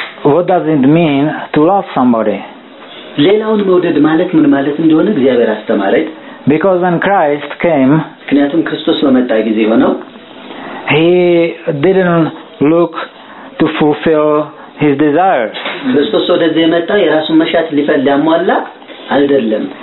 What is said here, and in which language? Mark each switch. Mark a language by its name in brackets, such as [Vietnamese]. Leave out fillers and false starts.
[English] what does it mean to love somebody? [Amharic] ሌላውን መውደድ ማለት ምን ማለት እንደሆነ እግዚአብሔር አስተማረኝ [English] because when Christ came [Amharic] ምክንያቱም ክርስቶስ በመጣ ጊዜ ሆነው [English] he didn't look to fulfill his desires [Amharic] ክርስቶስ ወደዚህ መጣ የራሱን መሻት ሊፈልግ ያሟላ አይደለም